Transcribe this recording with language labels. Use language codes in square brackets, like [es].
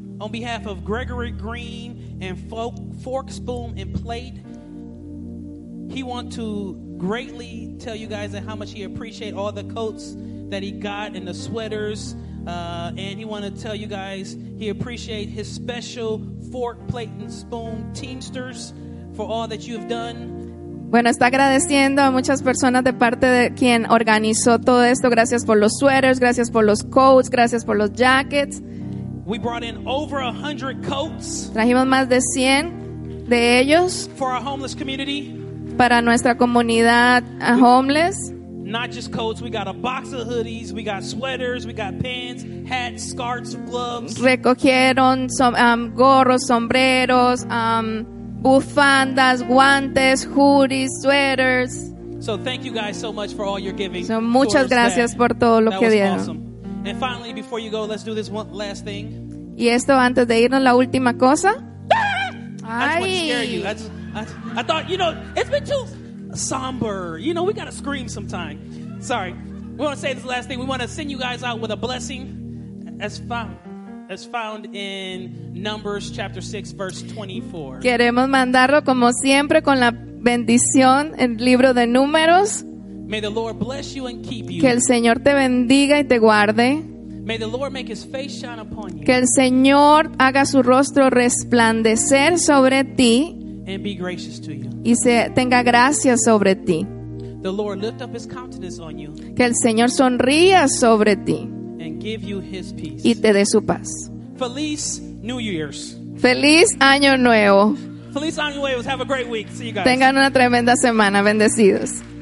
[en] On behalf of Gregory Green and Fork, Spoon, and Plate, he want to greatly tell you guys how much he appreciate all the coats that he got and the sweaters. And he wanted to tell you guys he appreciates his special fork, plate, and spoon Teamsters for all that you've done. [es] Bueno, está agradeciendo a muchas personas de parte de quien organizó todo esto. Gracias por los sweaters, gracias por los coats, gracias por los jackets. [en] We brought in over 100 coats. [es] Trajimos más de 100 de ellos. [en] For our homeless community. [es] Para nuestra comunidad homeless. [en] Not just coats, we got a box of hoodies, we got sweaters, we got pants, hats, scarves, gloves. [es] Recogieron some gorros, sombreros, bufandas, guantes, hoodies, sweaters. [en] So thank you guys so much for all your giving. [es] So muchas gracias por todo lo que dieron. [en] Awesome. And finally, before you go, let's do this one last thing. [es] Y esto antes de irnos, la última cosa. [en] Ay. I just want to scare you. I thought, you know, it's been too somber. You know, we got to scream sometime. Sorry. We want to say this last thing. We want to send you guys out with a blessing as found in Numbers chapter 6, verse 24. [es] Queremos mandarlo como siempre con la bendición en el libro de Números. [en] May the Lord bless you and keep you. [es] Que el Señor te bendiga y te guarde. [en] May the Lord make his face shine upon you. [es] Que el Señor haga su rostro resplandecer sobre ti. [en] And be gracious to you. [es] Y se tenga gracia sobre ti. [en] The Lord lift up his countenance on you. [es] Que el Señor sonría sobre ti. [en] And give you his peace. [es] Y te dé su paz. [en] Feliz New Year's. [es] Feliz Año Nuevo. Feliz Año Nuevo. [en] Have a great week. See you guys. [es] Tengan una tremenda semana. Bendecidos.